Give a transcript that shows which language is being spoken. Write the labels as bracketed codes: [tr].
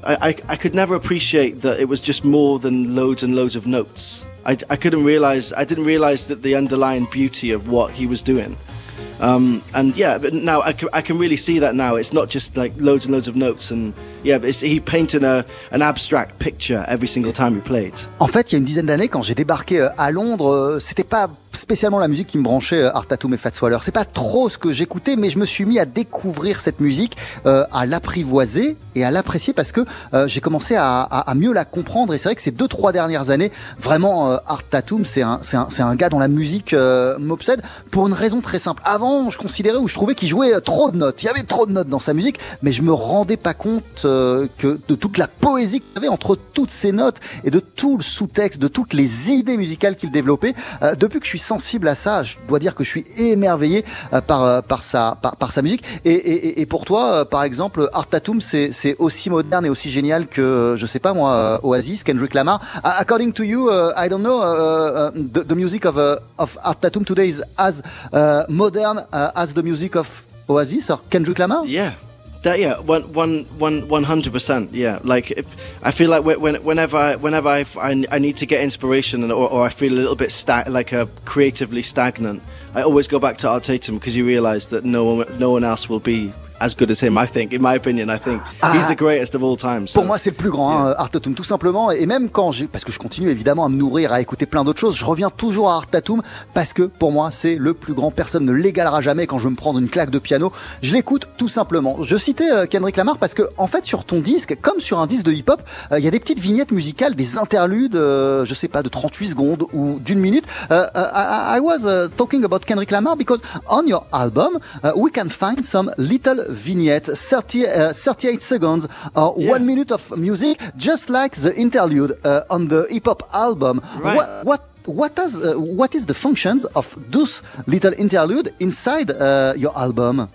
[en] I could never appreciate that it was just more than loads and loads of notes. I didn't realize that the underlying beauty of what he was doing. But now I can really see that now. It's not just like loads and loads of notes, and yeah, but he painted an abstract picture every single time he played. [fr] En fait, il y a une dizaine d'années, quand j'ai débarqué à Londres, c'était pas spécialement la musique qui me branchait, Art Tatum et Fats Waller. C'est pas trop ce que j'écoutais, mais je me suis mis à découvrir cette musique, à l'apprivoiser et à l'apprécier, parce que j'ai commencé à mieux la comprendre. Et c'est vrai que ces deux, trois dernières années, vraiment, Art Tatum, c'est un gars dont la musique m'obsède, pour une raison très simple. Avant, je considérais, ou je trouvais qu'il jouait trop de notes. Il y avait trop de notes dans sa musique, mais je me rendais pas compte que de toute la poésie qu'il avait entre toutes ces notes et de tout le sous-texte, de toutes les idées musicales qu'il développait. Depuis que je suis sensible à ça, je dois dire que je suis émerveillé par sa musique. Et pour toi, par exemple, Art Tatum, c'est aussi moderne et aussi génial que, je sais pas moi, Oasis, Kendrick Lamar. [en] According to you, I don't know, the music of Art Tatum today is as modern as the music of Oasis or Kendrick Lamar? Yeah, that, yeah, 100%. Yeah, like if, I feel like whenever I need to get inspiration, and or I feel a little bit creatively stagnant, I always go back to Art Tatum, because you realize that no one else will be as good as him, I think, in my opinion, I think. He's the greatest of all time. So. [fr] Pour moi, c'est le plus grand, hein, Art Tatum, tout simplement. Et même quand j'ai, parce que je continue évidemment à me nourrir, à écouter plein d'autres choses, je reviens toujours à Art Tatum, parce que pour moi, c'est le plus grand. Personne ne l'égalera jamais. Quand je veux me prendre une claque de piano, je l'écoute tout simplement. Je citais Kendrick Lamar parce que, en fait, sur ton disque, comme sur un disque de hip-hop, il y a des petites vignettes musicales, des interludes, je sais pas, de 38 secondes ou d'une minute. [en] I was talking about Kendrick Lamar because on your album, we can find some little vignette, 38 seconds or 1 minute of music, just like the interlude on the hip-hop album. Right. What is the functions of those little interlude inside your album?